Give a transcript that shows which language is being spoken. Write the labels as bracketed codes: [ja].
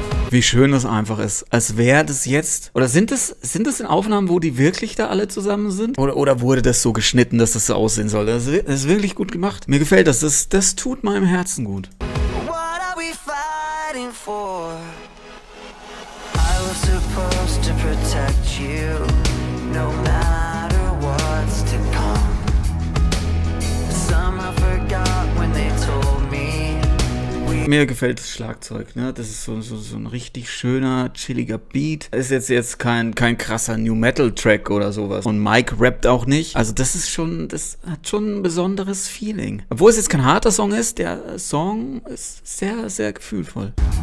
[de] Wie schön das einfach ist. Als wäre das jetzt. Oder sind das in Aufnahmen, wo die wirklich da alle zusammen sind? Oder wurde das so geschnitten, dass das so aussehen soll? Das ist wirklich gut gemacht. Mir gefällt das. Das tut meinem Herzen gut. [en] What are we fighting for? I was supposed to protect you. No matter what's to come. Somehow forgot when they told me. [de] Mir gefällt das Schlagzeug, ne? Das ist so ein richtig schöner, chilliger Beat. Ist jetzt kein krasser New Metal Track oder sowas. Und Mike rappt auch nicht. Also das hat schon ein besonderes Feeling. Obwohl es jetzt kein harter Song ist, der Song ist sehr, sehr gefühlvoll.